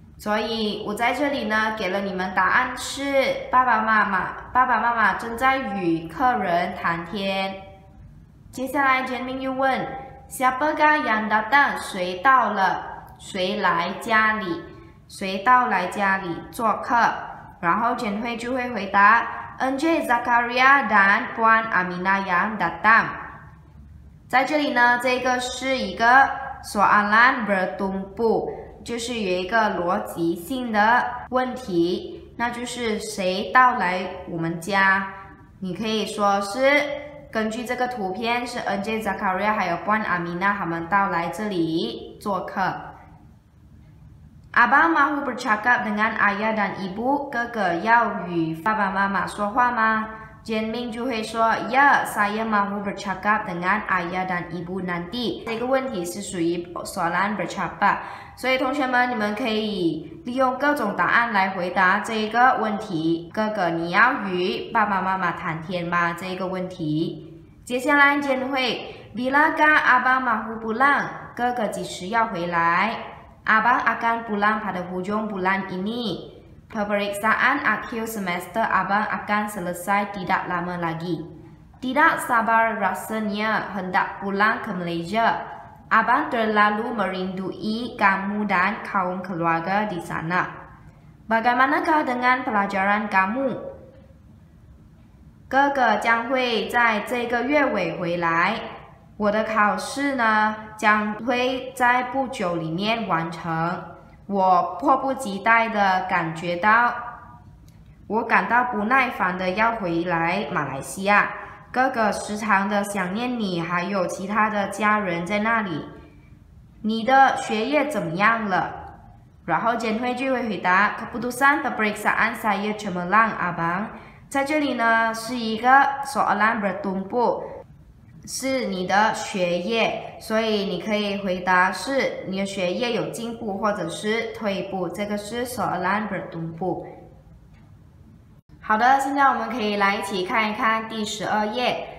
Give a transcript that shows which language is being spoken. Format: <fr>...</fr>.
<zh>所以我在这里呢给了你们答案是爸爸妈妈正在与客人谈天。接下来 Jian Ming 又问</zh> <ms>Siapakah yang datang，</ms> <zh>谁到了谁来家里，谁到来家里做客？然后简慧就会回答 NJ Zakaria</zh> <ms>dan Puan Aminah yang datang。</ms> <zh>在这里呢这个是一个 soalan bertumpu， 就是有一个逻辑性的问题，那就是谁到来我们家。你可以说是根据这个图片是 NJ Zakaria 还有 Puan Aminah 他们到来这里做客。</zh> <ms>Abang mahu bercakap dengan ayah dan ibu，</ms> <zh>哥哥要与爸爸妈妈说话吗？ Jian Ming 就会说</zh> <ms>Ya saya mahu bercakap dengan ayah dan ibu nanti。</ms> <zh>这个问题是属于 soalan bercakap， 所以同学们你们可以利用各种答案来回答这个问题，哥哥你要与爸爸妈妈谈天吗这个问题。接下来 Jian Hui</zh> <ms>Bilakah abang mahu pulang，</ms> <zh>哥哥几时要回来？</zh> <ms>Abang akan pulang pada hujung bulan ini. Pemeriksaan akhir semester abang akan selesai tidak lama lagi. Tidak sabar rasanya hendak pulang ke Malaysia. Abang terlalu merindui kamu dan kaum keluarga di sana. Bagaimanakah dengan pelajaran kamu?</ms> <zh>哥哥将会在这个月尾回来。我的考试呢将会在不久里面完成，我迫不及待的感觉到，我感到不耐烦的要回来马来西亚。哥哥时常的想念你还有其他的家人在那里。你的学业怎么样了？然后简慧就会回答</zh> <ms>Keputusan peperiksaan saya cemerlang abang。</ms> <zh>在这里呢是一个 soalan bertumpu，是你的学业，所以你可以回答是你的学业有进步或者是退步，这个是 soalan bertumpu。好的，现在我们可以来一起看一看第十二页。</zh>